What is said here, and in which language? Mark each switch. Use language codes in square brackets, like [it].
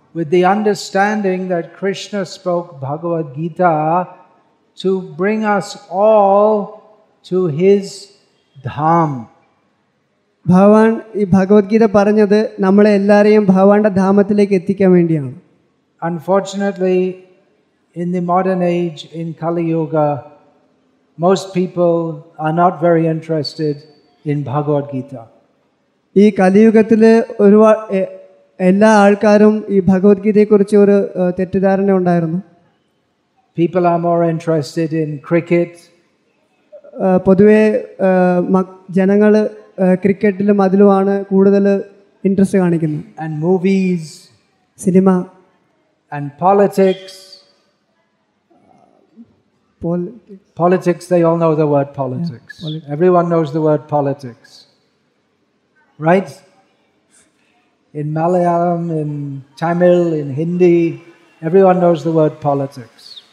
[en] With the understanding that Krishna spoke Bhagavad Gita to bring us all to his dham. [ml] ഭഗവാൻ ഈ ഭഗവത്ഗീത പറഞ്ഞത് നമ്മളെ എല്ലാവരെയും ഭഗവാന്റെ ധാമത്തിലേക്ക് എത്തിക്കാൻ വേണ്ടിയാണ്. [en] Unfortunately, in the modern age, in Kali Yuga, most people are not very interested in Bhagavad Gita. [ml] ഈ കലിയുഗത്തിലെ ഒരുപാട് എല്ലാ ആൾക്കാരും ഈ ഭഗവത്ഗീതയെക്കുറിച്ച് ഒരു തെറ്റിദ്ധാരണ ഉണ്ടായിരുന്നു. [en] People are more interested in cricket. [ml] പൊതുവെ ജനങ്ങൾ ക്രിക്കറ്റിലും അതിലുമാണ് കൂടുതൽ ഇൻട്രസ്റ്റ് കാണിക്കുന്നത്. [en] And movies, [ml] cinema, [en] and politics, they all know the word politics. Yeah. Everyone knows the word politics, right? In Malayalam, in Tamil, in Hindi, everyone knows the word politics.